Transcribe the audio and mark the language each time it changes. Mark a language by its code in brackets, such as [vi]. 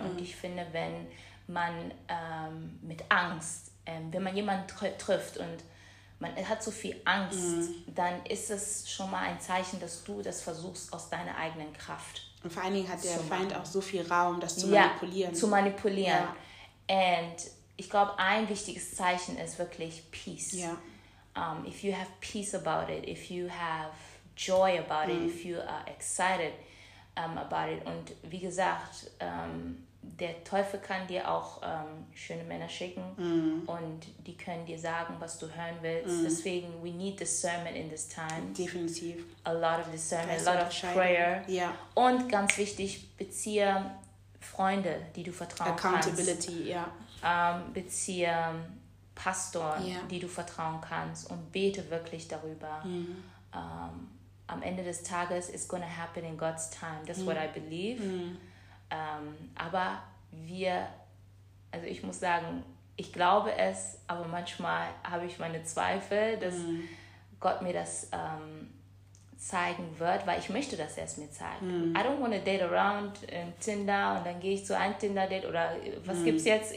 [de] Und ich finde, wenn man mit Angst, wenn man jemanden trifft und man hat so viel Angst, dann ist es schon mal ein Zeichen, dass du das versuchst aus deiner eigenen Kraft. Und vor allen Dingen hat der Feind auch so viel Raum, das zu manipulieren. Zu manipulieren. Ja. Und ich glaube, ein wichtiges Zeichen ist wirklich Peace. Ja. [en] If you have peace about it, if you have joy about it, if you are excited about it. [de] Und wie gesagt, der Teufel kann dir auch schöne Männer schicken und die können dir sagen, was du hören willst. [en] Deswegen, we need discernment in this time. [de] Definitiv. [en] A lot of discernment, a lot of prayer. [de] Ja. Und ganz wichtig, beziehe Freunde, die du vertrauen [en] Accountability, [de] kannst. [en] Accountability, [de] beziehe Pastoren, die du vertrauen kannst und bete wirklich darüber. Am Ende des Tages, [en] it's gonna happen in God's time. That's what I believe. [de] Aber wir, also ich muss sagen, ich glaube es, aber manchmal habe ich meine Zweifel, dass Gott mir das zeigen wird, weil ich möchte, dass er es mir zeigt. [en] I don't want to date around [de] Tinder und dann gehe ich zu einem Tinder-Date oder was gibt's jetzt?